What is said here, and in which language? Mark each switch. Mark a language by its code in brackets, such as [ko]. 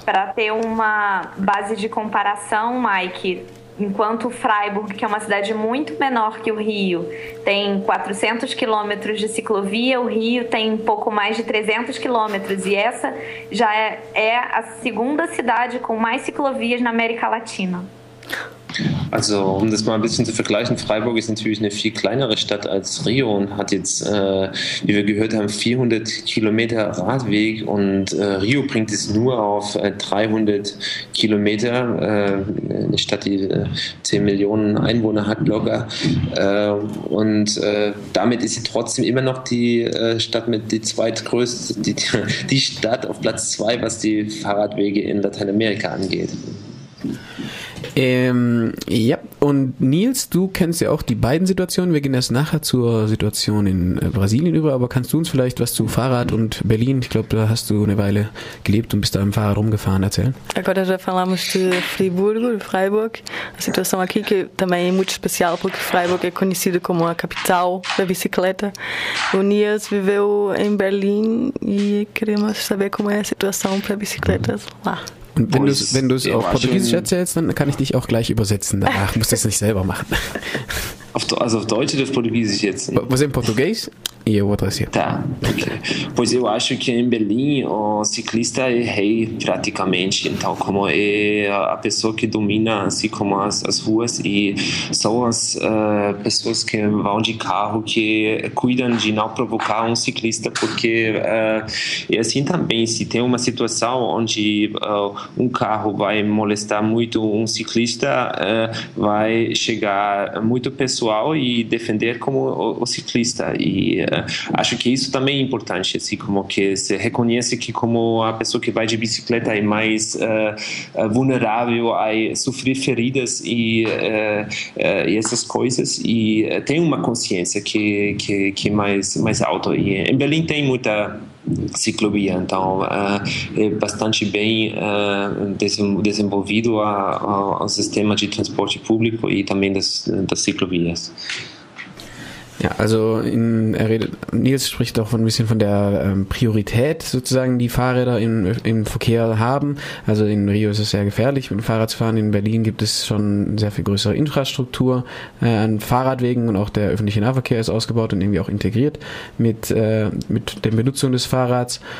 [pt] Para ter uma base de comparação, Mike, enquanto Freiburg, que é uma cidade muito menor que o Rio, tem 400 quilômetros de ciclovia, o Rio tem um pouco mais de 300 quilômetros. E essa já é a segunda cidade com mais ciclovias na América Latina. [de] Also, um das mal ein bisschen zu vergleichen, Freiburg ist natürlich eine viel kleinere Stadt als Rio und hat jetzt, wie wir gehört haben, 400 Kilometer Radweg und Rio bringt es nur auf 300 Kilometer, eine Stadt, die 10 Millionen Einwohner hat, locker. Und damit ist sie trotzdem immer noch die Stadt auf Platz 2, was die Fahrradwege in Lateinamerika angeht. Ja, und Nils, du kennst ja auch die beiden Situationen. Wir gehen erst nachher zur Situation in Brasilien über, aber kannst du uns vielleicht was zu Fahrrad und Berlin, ich glaube, da hast du eine Weile gelebt und bist da im Fahrrad rumgefahren, erzählen? [pt] Agora já falamos de Friburgo, de Freiburg. A situação aqui que também é muito especial, porque Freiburg é conhecido como a capital da bicicleta. O Nils viveu em Berlim e queremos saber como é a situação para bicicletas lá. [de] Und wenn du es auf Portugiesisch erzählst, dann kann ich dich auch gleich übersetzen. Danach musst du es nicht selber machen. Also auf Deutsch oder auf Portugiesisch jetzt? Was ist in Portugiesisch? [pt] e eu outro assim. Tá, ok. Pois eu acho que em Berlim o ciclista é rei praticamente, então como é a pessoa que domina assim como as ruas, e são as pessoas que vão de carro que cuidam de não provocar um ciclista, porque é assim também, se tem uma situação onde um carro vai molestar muito um ciclista, vai chegar muito pessoal e defender como o ciclista, e acho que isso também é importante, assim como que se reconhece que como a pessoa que vai de bicicleta é mais vulnerável a sofrer feridas e essas coisas, e tem uma consciência que é mais alto, e em Berlim tem muita ciclovia, então é bastante bem desenvolvido o sistema de transporte público e também das ciclovias. [de] Ja, also Nils spricht auch ein bisschen von der Priorität sozusagen, die Fahrräder im Verkehr haben. Also in Rio ist es sehr gefährlich, mit dem Fahrrad zu fahren. In Berlin gibt es schon sehr viel größere Infrastruktur an Fahrradwegen, und auch der öffentliche Nahverkehr ist ausgebaut und irgendwie auch integriert mit der Benutzung des Fahrrads.